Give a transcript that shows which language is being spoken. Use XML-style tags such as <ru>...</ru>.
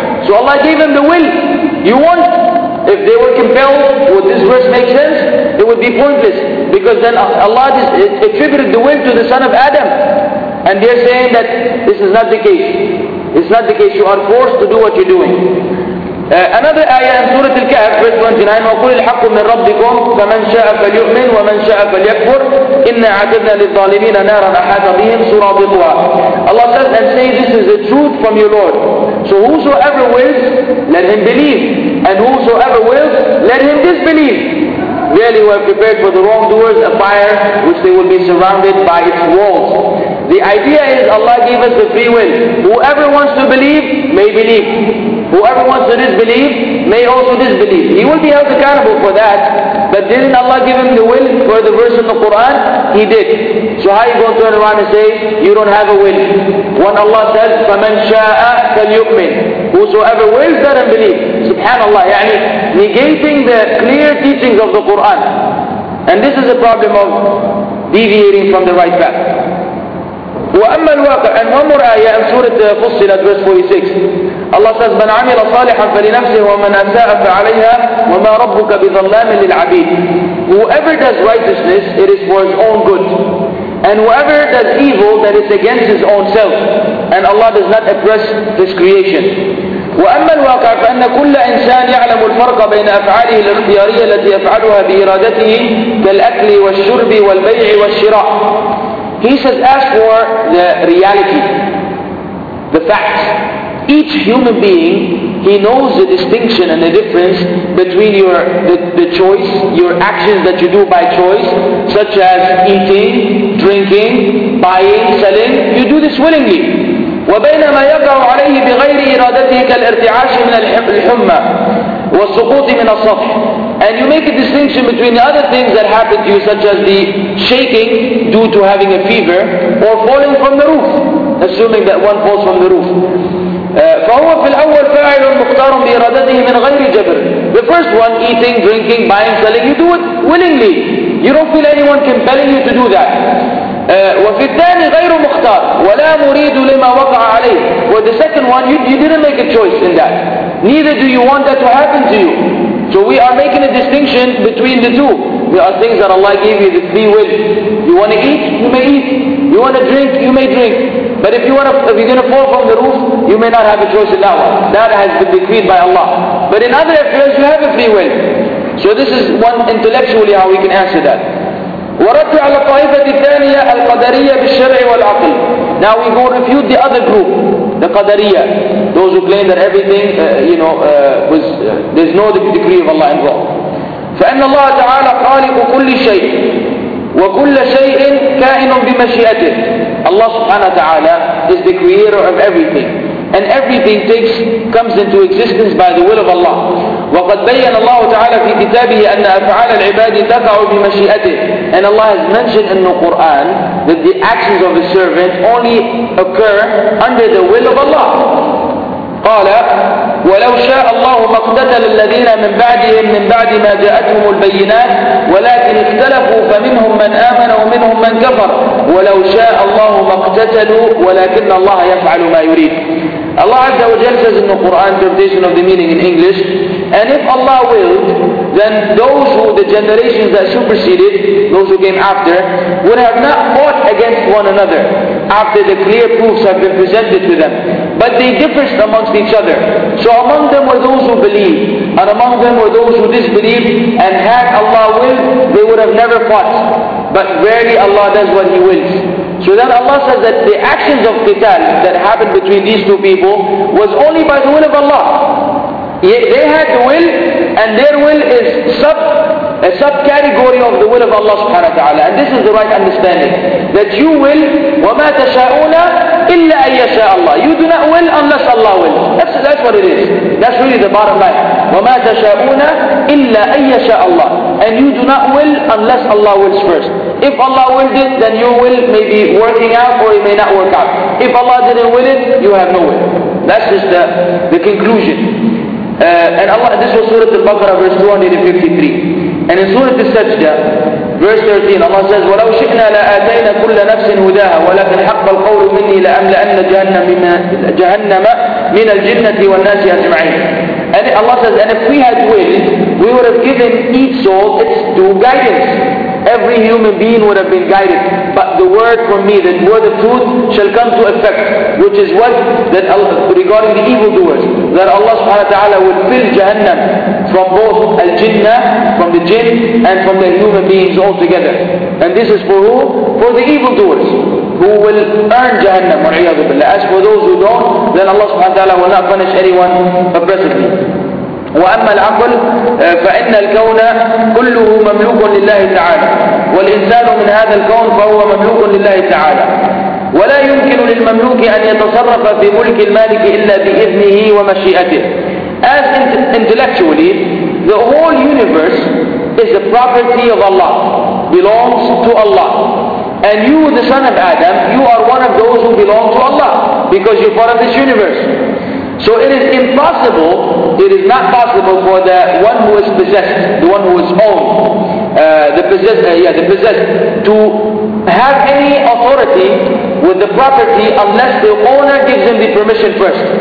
<en>So Allah gave them the will. You want? If they were compelled, would this verse make sense? It would be pointless, because then Allah attributed the will to the son of Adam, and they're saying that this is not the case. It's not the case. You are forced to do what you're doing. Another ayah in Surah Al-Kahf, verse 29,</en> <ar>وَقُلِ الْحَقُّ مِنْ رَبِّكُمْ فَمَنْ شَاءَ فَلْيُؤْمِنْ وَمَنْ شَاءَ فَلْيَكْفُرْ إِنَّا عَتَدْنَا لِلظَّالِمِينَ نَارًا أَحَاطَ بِهِمْ سُرَادِقُهَا.</ar> <en>Allah says, and say, this is the truth from your Lord. So whosoever wills, let him believe. And whosoever wills, let him disbelieve. Really, we have prepared for the wrongdoers a fire which they will be surrounded by its walls. The idea is Allah gave us the free will. Whoever wants to believe, may believe. Whoever wants to disbelieve, may also disbelieve. He will be held accountable for that. But didn't Allah give him the will for the verse in the Quran? He did. So how are you going to turn around and say, you don't have a will? When Allah says,</en> <ar>فَمَنْ شَاءَ فَلْيُؤْمِنْ.</ar> <en>Whosoever wills, let him believe. Subhanallah, يعني negating the clear teachings of the Quran. And this is the problem of deviating from the right path.</en> <ar>وأما الواقع,</ar> <en>and one more ayah in Surah Fussilat, verse 46. Allah says,</en> <ar>من عمل صالحا فلنفسه ومن أساء فعليها وما ربك بظلام للعبيد.</ar> <en>Whoever does righteousness, it is for his own good. And whoever does evil, that is against his own self. And Allah does not oppress his creation.</en> <ar>وأما الواقع فأن كل إنسان يعلم الفرق بين أفعاله الاختيارية التي يفعلها بإرادته كالأكل والشرب والبيع والشراء.</ar> <en>He says, as for the reality, the fact, each human being He knows the distinction and the difference between your the choice, your actions that you do by choice, such as eating, drinking, buying, selling. You do this willingly.</en> <ar>وَبَيْنَمَا يَقَعُ عَلَيْهِ بِغَيْرِ إِرَادَتِهِ كَالْإِرْتِعَاشِ مِنَ الْحُمَّى وَالسُّقُوطِ مِنَ الصَّفْحِ.</ar> <en>And you make a distinction between the other things that happen to you, such as the shaking due to having a fever, or falling from the roof, assuming that one falls from the roof.</en> <ar>فَهُوَ فِي الْأَوَّلْ فَاعِلٌ مُخْتَارٌ بِإِرَادَتِهِ مِنْ غَيْرِ جَبْرٍ.</ar> <en>The first one, eating, drinking, buying, selling, you do it willingly. You don't feel anyone compelling you to do that.</en> <ar>وفي الثاني غير مختار ولا مريد لما وقع عليه.</ar> <en>Well, the second one, you didn't make a choice in that. Neither do you want that to happen to you. So we are making a distinction between the two. There are things that Allah gave you the free will. You want to eat, you may eat. You want to drink, you may drink. But if you want to, if you're going to fall from the roof, you may not have a choice in that one. That has been decreed by Allah. But in other affairs, you have a free will. So this is one intellectually how we can answer that.</en> <ar>ورد على الطائفة الثانية القدرية بالشرع والعقل.</ar> <en>Now we go refute the other group, the Qadariya, those who claim that everything, was there's no decree of Allah involved.</en> <ar>فإن الله تعالى خالق كل شيء وكل شيء كائن بمشيئته.</ar> <en>Allah</en> <ar>سبحانه وتعالى</ar> <en>is the creator of everything, and everything comes into existence by the will of Allah.</en> <ar>وقد بين الله تعالى في كتابه أن أفعال العباد تقع بمشيئته.</ar> <en>And Allah has mentioned in the Quran that the actions of the servant only occur under the will of Allah.</en> <ar>قال ولو شاء الله ما اقتتل الذين من بعدهم من بعد ما جاءتهم البينات ولكن اختلفوا فمنهم من آمن ومنهم من كفر ولو شاء الله ما اقتتلوا ولكن الله يفعل ما يريد.</ar> <en>Allah</en> <ar>عز وجل</ar> <en>says in the Quran, interpretation of the meaning in English, and if Allah willed, then the generations that superseded, those who came after, would have not fought against one another after the clear proofs have been presented to them. But they differed amongst each other. So among them were those who believed, and among them were those who disbelieved, and had Allah willed, they would have never fought. But rarely Allah does what He wills. So then Allah says that the actions of qital that happened between these two people was only by the will of Allah. They had the will, and their will is a subcategory of the will of Allah subhanahu wa ta'ala. And this is the right understanding. That you will,</en> <ar>وَمَا تَشَاءُونَ إِلَّا أَن يَشَاءَ اللَّهِ.</ar> <en>You do not will unless Allah will. That's what it is. That's really the bottom line.</en> <ar>وَمَا تَشَاءُونَ إِلَّا أَن يَشَاءَ اللَّهِ.</ar> <en>And you do not will unless Allah wills first. If Allah willed it, then your will may be working out, or it may not work out. If Allah didn't will it, you have no will. That's just the conclusion. And Allah, this was Surah Al-Baqarah, verse 253. And in Surah Al-Sajda, verse 13, Allah says,</en> <ar>وَلَوْ شِئْنَا لَآتَيْنَا كُلَّ نَفْسٍ هُدَاهَا وَلَكِنْ حَقَّ الْقَوْلُ مِنِّي لَأَمْلَأَنَّ جَهَنَّمَ مِنَ الْجِنَّةِ وَالنَّاسِ أَجْمَعِينَ.</ar> <en>And Allah says, and if we had willed, we would have given each soul its due guidance. Every human being would have been guided. But the word from me, the word of truth, shall come to effect. Which is what? That regarding the evildoers, that Allah subhanahu wa ta'ala would fill Jahannam from both al-jinnah, from the jinn, and from the human beings altogether. And this is for who? For the evildoers, who will earn Jahannam, wa'iyadu billah. As for those who don't, then Allah subhanahu wa ta'ala will not punish anyone oppressively.</en> <ar>وأما العقل فإن الكون كله مملوك لله تعالى والإنسان من هذا الكون فهو مملوك لله تعالى ولا يمكن للمملوك أن يتصرف في ملك المالك إلا بإذنه ومشيئته.</ar> <en>As intellectually, the whole universe is the property of Allah, belongs to Allah. And you, the son of Adam, you are one of those who belong to Allah because you're part of this universe. So it is not possible for the one who is possessed, the one who is owned, the possessed, to have any authority with the property unless the owner gives him the permission first.</en>